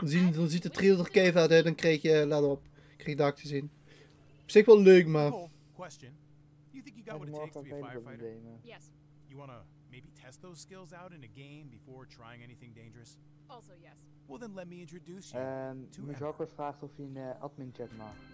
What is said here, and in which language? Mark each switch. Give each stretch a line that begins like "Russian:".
Dutch: Dan ziet de trailer er keihard uit, dan krijg je, let op, krijg je daar te zien. Op zich wel leuk, maar...
English: You want to maybe test those skills out in a game before trying anything dangerous? Also, yes. Well, then let me introduce you.
Dutch: Mijn zoeker vraagt of hij een admin chat mag.